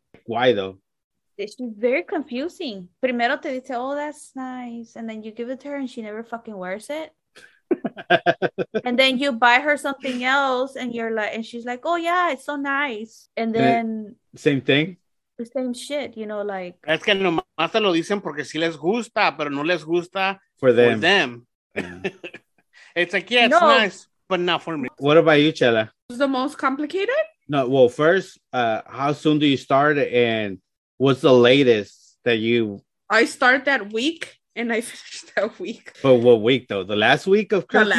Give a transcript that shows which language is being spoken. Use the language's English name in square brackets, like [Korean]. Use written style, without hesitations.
[English] Why though? It's very confusing. [Spanish] Primero te dice, [English] "Oh, that's nice," and then you give it to her, and she never fucking wears it. And then you buy her something else and you're like, and she's like, "Oh yeah, it's so nice." And then same thing, the same shit, you know, like [Spanish] es que nomás te lo dicen porque sí les gusta, pero no les gusta [English] for them. Yeah. It's like, yeah, it's nice, but not for me. What about you, Chela? It's the most complicated. No, well, first, how soon do you start and what's the latest that you... I start that week. And I finished that week. But what week, though? The last week of Christmas?